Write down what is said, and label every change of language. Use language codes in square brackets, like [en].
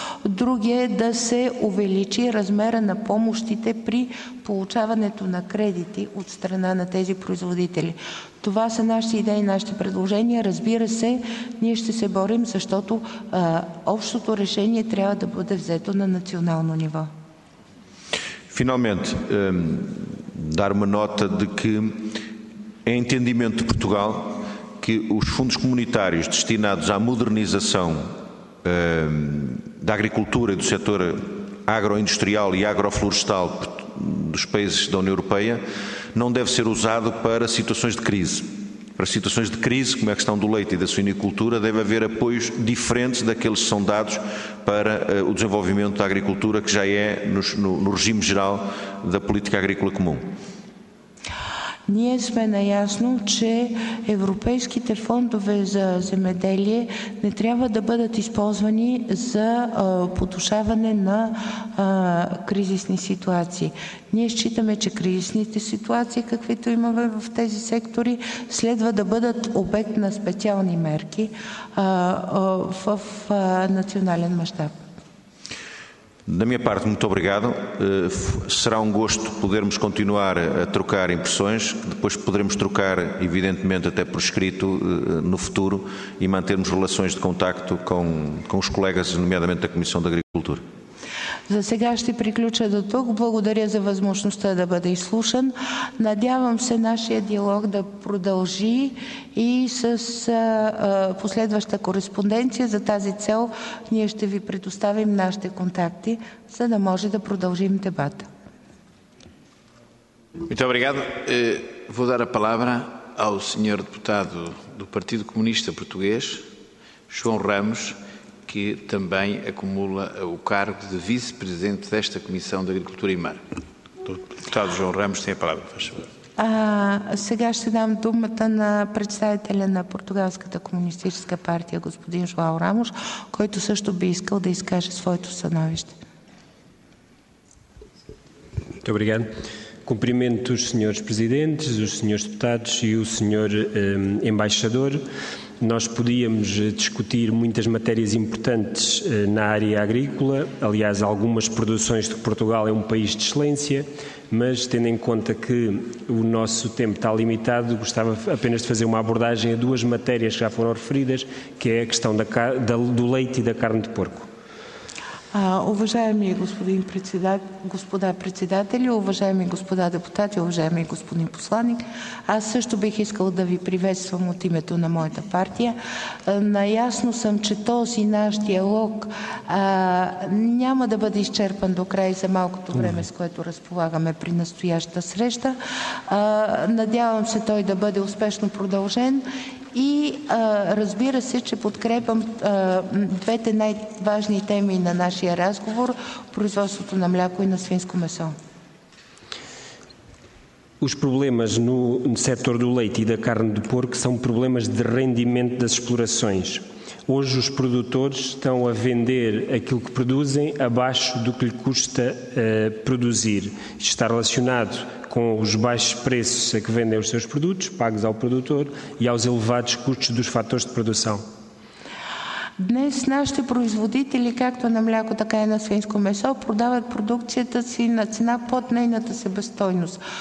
[bg] Другия е да се увеличи размера на помощите при получаването на кредити от страна на тези производители. Това са нашите идеи, нашите предложения. Разбира се, ние ще се борим, защото общото решение трябва да бъде взето на национално ниво. [pt] Финалмент, дар ме нота да ке é entendimento de Portugal que os fundos comunitários destinados à modernização da agricultura e do setor agroindustrial e agroflorestal dos países da União Europeia não deve ser usado para situações de crise. Para situações de crise, como é a questão do leite e da suinicultura, deve haver apoios diferentes daqueles que são dados para o desenvolvimento da agricultura, que já é no regime geral da política agrícola comum? [bg] Ние сме наясно, че европейските фондове за земеделие не трябва да бъдат използвани за потушаване на кризисни ситуации. Ние считаме, че кризисните ситуации, каквито имаме в тези сектори, следва да бъдат обект на специални мерки в национален мащаб. [pt] Da minha parte, muito obrigado. Será um gosto podermos continuar a trocar impressões, depois poderemos trocar, evidentemente, até por escrito, no futuro, e mantermos relações de contacto com os colegas, nomeadamente da Comissão de Agricultura. [bg] За сега ще приключа до тук. Благодаря за възможността да бъда изслушан. Надявам се нашия диалог да продължи и с последваща кореспонденция. За тази цел ние ще ви предоставим нашите контакти, за да може да продължим дебата. [pt] Muito obrigado. Vou dar a palavra ao senhor deputado do Partido Comunista Português, João Ramos, que também acumula o cargo de vice-presidente desta Comissão de Agricultura e Mar. Deputado João Ramos, tem a palavra, por favor. [bg] Сега ще дам думата на представителя на Португалската комунистическа партия, господин Жоао Рамос, който също би искал да изкаже своето становище. [pt] Muito obrigado. Cumprimento os senhores presidentes, os senhores deputados e o senhor embaixador. Nós podíamos discutir muitas matérias importantes na área agrícola, aliás, algumas produções de que Portugal é um país de excelência, mas tendo em conta que o nosso tempo está limitado, gostava apenas de fazer uma abordagem a duas matérias que já foram referidas, que é a questão do leite e da carne de porco. [bg] Уважаеми господин господа председатели, уважаеми господа депутати, уважаеми господин посланник, аз също бих искал да ви приветствам от името на моята партия. Наясно съм, че този наш диалог няма да бъде изчерпан до край за малкото време, с което разполагаме при настоящата среща. Надявам се той да бъде успешно продължен. И разбира се, че подкрепям двете най-важни теми на нашия разговор – производството на мляко и на свинско месо. [pt] Os problemas no setor do leite e da carne de porco são problemas de rendimento das explorações. Hoje os produtores estão a vender aquilo que produzem abaixo do que lhe custa produzir. Isto está relacionado com os baixos preços a que vendem os seus produtos, pagos ao produtor, e aos elevados custos dos fatores de produção. [bg] Днес нашите производители, както на мляко, така и на свинско месо, продават продукцията си на цена под нейната себестойност.